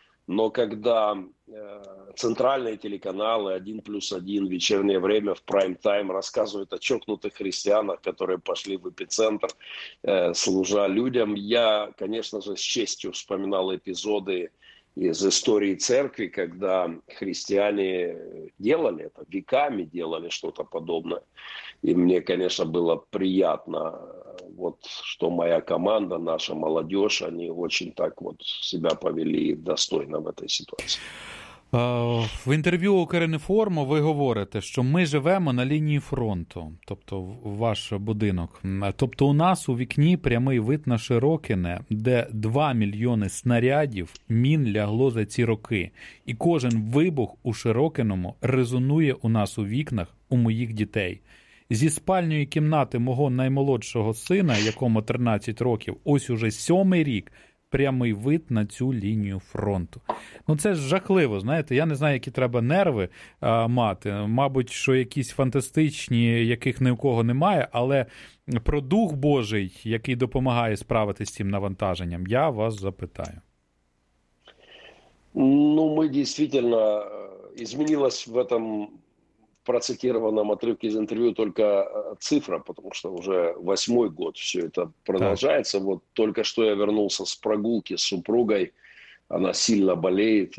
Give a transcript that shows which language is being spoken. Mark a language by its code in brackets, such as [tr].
[ru] Но когда центральные телеканалы 1+1 в вечернее время в прайм-тайм рассказывают о чокнутых христианах, которые пошли в эпицентр, служа людям, я, конечно же, с честью вспоминал эпизоды из истории церкви, когда христиане делали это, веками делали что-то подобное. И мне, конечно, было приятно, вот, что моя команда, наша молодежь, они очень так вот себя повели достойно в этой ситуации. [uk] В інтерв'ю «Укрінформ» ви говорите, що ми живемо на лінії фронту, тобто ваш будинок. Тобто у нас у вікні прямий вид на Широкине, де 2 мільйони снарядів, мін лягло за ці роки. І кожен вибух у Широкиному резонує у нас у вікнах у моїх дітей. Зі спальньої кімнати мого наймолодшого сина, якому 13 років, ось уже 7-й рік, прямий вид на цю лінію фронту. Ну, це ж жахливо, знаєте, я не знаю, які треба нерви мати. Мабуть, що якісь фантастичні, яких ні у кого немає, але про Дух Божий, який допомагає справитися з цим навантаженням, я вас запитаю. Ну, ми дійсно змінилась в цьому [ru] процитированном отрывке из интервью только цифра, потому что уже 8-й год все это продолжается. Так. Вот только что я вернулся с прогулки с супругой. Она сильно болеет.